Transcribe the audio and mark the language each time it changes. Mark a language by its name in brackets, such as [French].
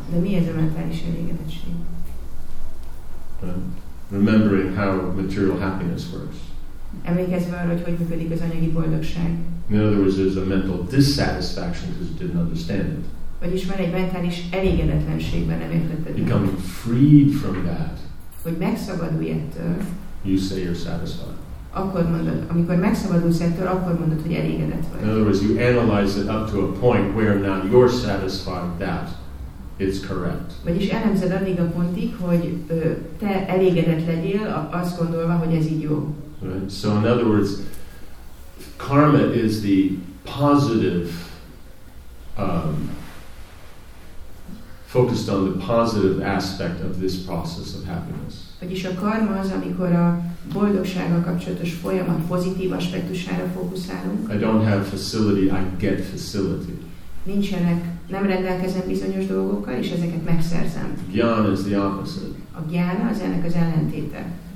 [Hungarian] De mi ez a mentális elégedettség? [English] Remembering how material happiness works. [Hungarian] Emlékezve arra, hogy működik az anyagi boldogság. [English] In other words, there's a mental dissatisfaction because you didn't understand it. [Hungarian] Vagyis van egy mentális elégedetlenségben, nem értetted. [English] Becoming freed from that. [Hungarian] Hogy megszabadulj ettől. [English] You say you're satisfied. [Hungarian] Akkor mondod, amikor megszabadulsz ettől, akkor mondod, hogy elégedett vagy. [English] In other words, you analyze it up to a point where now you're satisfied that it's correct. [Hungarian] Vagyis elemzed addig a pontig, hogy te elégedett legyél, azt gondolva, hogy ez így jó. [English] Right. So in other words, karma is the positive, focused on the positive aspect of this process of happiness. [Hungarian] Vagyis a karma az, amikor a boldogsággal kapcsolatos folyamat pozitív aspektusára fókuszálunk. [English] I don't have facility, I get facility. [Hungarian] Nincsenek, nem rendelkezem bizonyos dolgokkal, és ezeket megszerzem. [English] Jnana is the opposite. [Hungarian] A jnana az ennek az ellentéte.